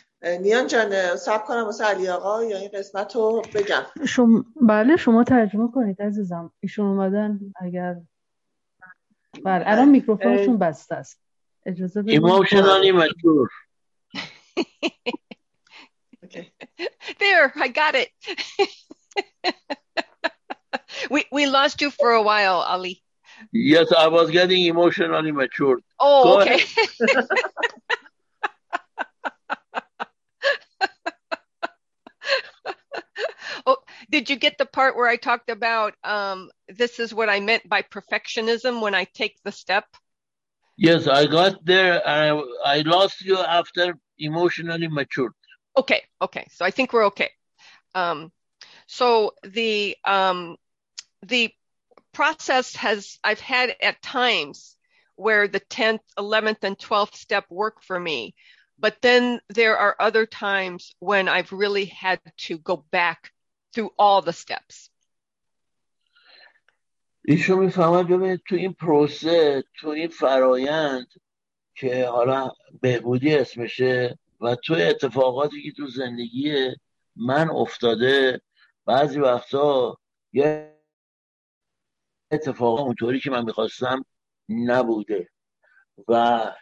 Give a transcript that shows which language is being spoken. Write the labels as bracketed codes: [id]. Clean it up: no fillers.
[fa] نیان جان صبر کنم واسه علی آقا یا این قسمت رو بگم شم... بله شما ترجمه کنید عزیزم ایشون اومدن اگر بله الان میکروفونشون بسته است اجازه بدید [en] Emotionally مجبور There I got it we lost you for a while Ali Yes I was getting emotionally matured Oh okay Did you get the part where I talked about this is what I meant by perfectionism when I take the step? Yes, I got there. I lost you after emotionally matured. Okay. So I think we're okay. So the process has, I've had at times where the 10th, 11th, and 12th step work for me. But then there are other times when I've really had to go back through all the steps. [fa] ایشون میفهمد ببینید تو این پروسه تو این فرایند که حالا بهبودی اسمشه و تو اتفاقاتی که تو زندگی من افتاده بعضی وقتا یه اتفاق اونطوری که من میخواستم نبوده و